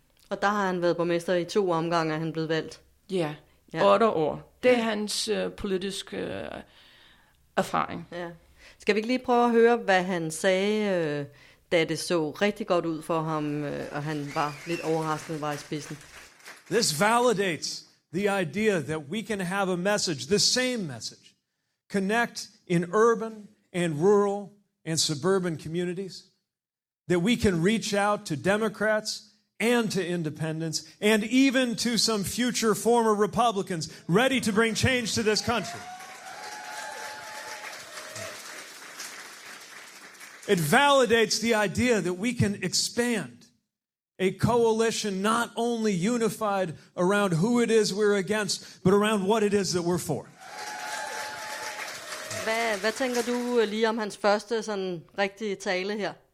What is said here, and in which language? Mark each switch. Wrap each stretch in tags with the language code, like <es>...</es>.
<da>Og der har han været borgmester i 2 omgange, er han blevet valgt? Ja, 8 år. Det er hans politiske erfaring. Ja. Skal vi ikke lige prøve at høre, hvad han sagde? Det så rigtig godt ud for ham, og han var lidt overrasket var i spidsen.</da> <en>This validates the idea that we can have a message, the same message, connect in urban and rural and suburban communities, that we can reach out to Democrats and to independents and even to some future former Republicans ready to bring change to this country. It validates the idea that we can expand A coalition not only unified around who it is we're against, but around what it is that we're for.</en> <da>Hvad tænker du lige om hans første sådan rigtige tale her?</da>